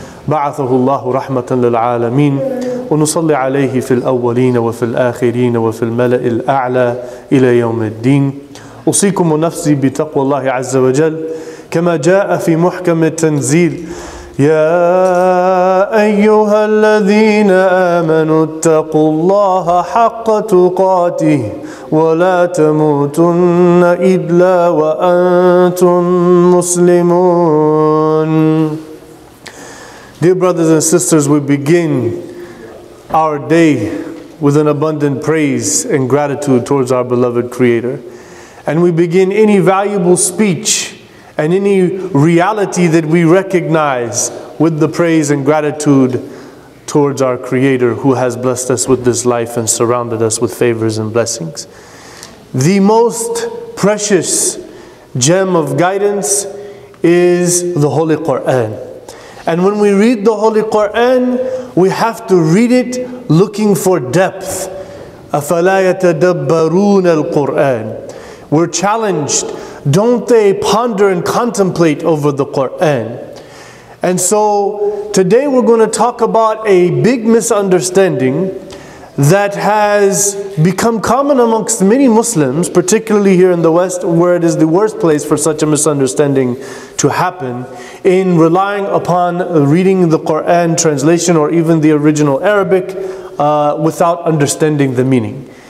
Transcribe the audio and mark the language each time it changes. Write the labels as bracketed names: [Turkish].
[Arabic] بعثه الله رحمة للعالمين ونصلي عليه في الأولين وفي الآخرين وفي الملأ الأعلى إلى يوم الدين أوصيكم نفسي بتقوى الله عز وجل كما جاء في محكم التنزيل يا أيها الذين آمنوا اتقوا الله حق تقاته ولا تموتن إلا وأنتم مسلمون. [English] Dear brothers and sisters, we begin our day with an abundant praise and gratitude towards our beloved Creator. And we begin any valuable speech and any reality that we recognize with the praise and gratitude towards our Creator who has blessed us with this life and surrounded us with favors and blessings. The most precious gem of guidance is the Holy Quran. And when we read the Holy Quran, we have to read it looking for depth. [Arabic] أَفَلَا يَتَدَبَّرُونَ الْقُرْآنِ [English] We're challenged. Don't they ponder and contemplate over the Quran? And so today we're going to talk about a big misunderstanding that has become common amongst many Muslims, particularly here in the West, where it is the worst place for such a misunderstanding to happen, in relying upon reading the Quran translation or even the original Arabic without understanding the meaning.